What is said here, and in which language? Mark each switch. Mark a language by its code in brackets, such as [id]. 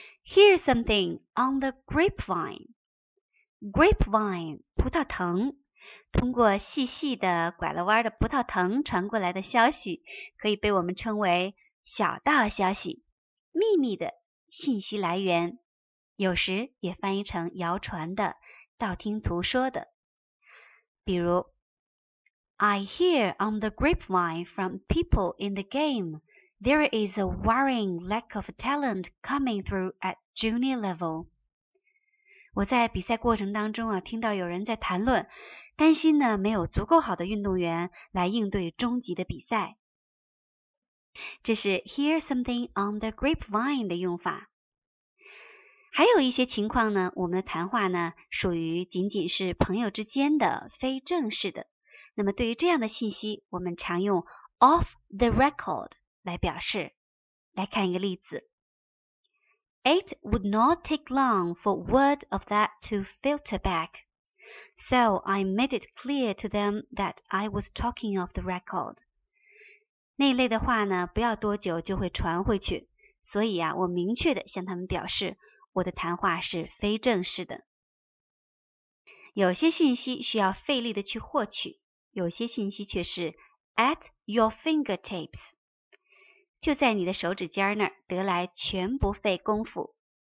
[en] Here's something on the grapevine. Grapevine, 葡萄藤。 [zh] 通过细细的拐了弯的葡萄藤传过来的消息，可以被我们称为小道消息，秘密的信息来源，有时也翻译成谣传的、道听途说的。 [en] 比如I hear on the grapevine from people in the game, there is a worrying lack of talent coming through at junior level. [zh] 我在比赛过程当中啊，听到有人在谈论，担心呢没有足够好的运动员来应对中级的比赛。这是 hear something on the grapevine 的用法。还有一些情况呢，我们的谈话呢属于仅仅是朋友之间的非正式的。那么对于这样的信息，我们常用 off the record 来表示。来看一个例子。 [en] It would not take long for word of that to filter back, so I made it clear to them that I was talking off the record. [zh] 那一类的话呢，不要多久就会传回去，所以啊，我明确的向他们表示，我的谈话是非正式的。有些信息需要费力的去获取。有些信息却是 at your fingertips, 就在你的手指尖那儿得来全不费功夫。